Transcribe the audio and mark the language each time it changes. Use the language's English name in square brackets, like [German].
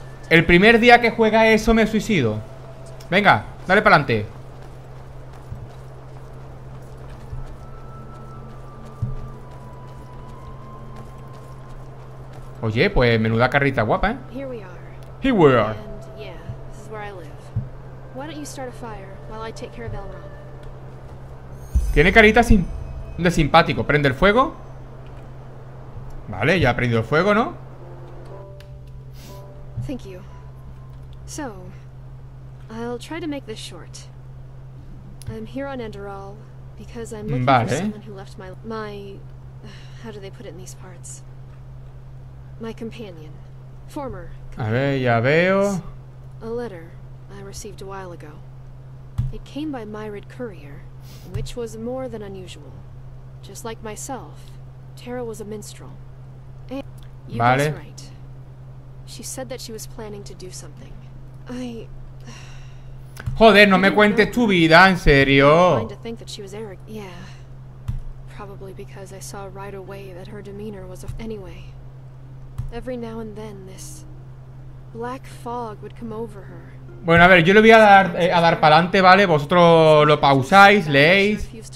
[Spanish] El primer día que juega eso me suicido. Venga, dale para adelante. Oye, pues menuda carrita guapa, ¿eh? [English] Here we are. Here we are. And, yeah, this is where I live. Why don't you start a fire while I take care of Elrond? [Spanish] Tiene carita de simpático. Prende el fuego. Vale, ya ha prendido el fuego, ¿no? [English] Thank you. So, I'll try to make this short. I'm here on Enderal because I'm looking for someone who left my how do they put it in these parts? My companion. Former. [Spanish] A ver, ya veo. [English] A letter I received a while ago. It came by Myrid courier. Which was more than unusual. Just like myself, Tara was a minstrel. And you guessed right. She said that she was planning to do something. I... [Spanish] Joder, no me cuentes tu vida, en serio. [English] I to think that she was arrogant. Yeah. Probably because I saw right away that her demeanor was a... Anyway, every now and then this black fog would come over her. [Spanish] Bueno, a ver, yo le voy a dar para adelante, ¿vale? Vosotros lo pausáis, leéis.